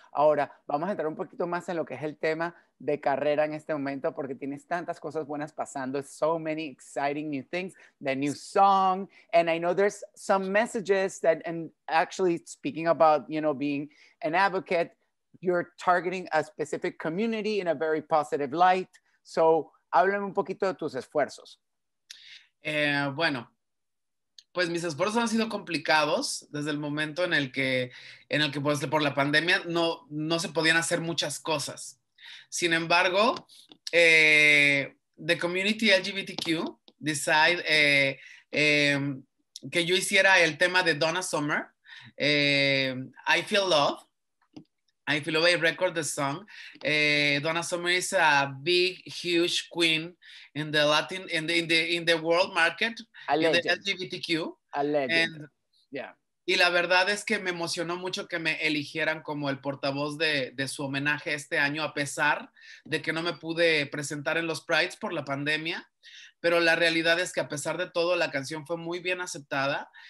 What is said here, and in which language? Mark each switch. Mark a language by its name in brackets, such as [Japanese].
[Spanish] Ahora, vamos a entrar un poquito más en lo que es el tema de carrera en este momento, porque tienes tantas cosas buenas pasando. [English] So many exciting new things, the new song. And I know there's some messages that, and actually speaking about, you know, being an advocate, you're targeting a specific community in a very positive light. [Spanish] So, háblame un poquito de tus esfuerzos. Bueno. Pues mis esfuerzos han sido complicados desde el momento en el que pues por la pandemia no se podían hacer muchas cosas. Sin embargo, [English] the community LGBTQ decide [Spanish] que yo hiciera el tema de Donna Summer, I Feel Love, I Feel Love, [English] I record the song. Donna Summer is a big, huge queen in the Latin, in the world market, legend. In the LGBTQ. A legend. [Spanish] Y la verdad es que me emocionó mucho que me eligieran como el portavoz de su homenaje este año, a pesar de que no me pude presentar en los Prides por la pandemia. Pero la realidad es que a pesar de todo, la canción fue muy bien aceptada.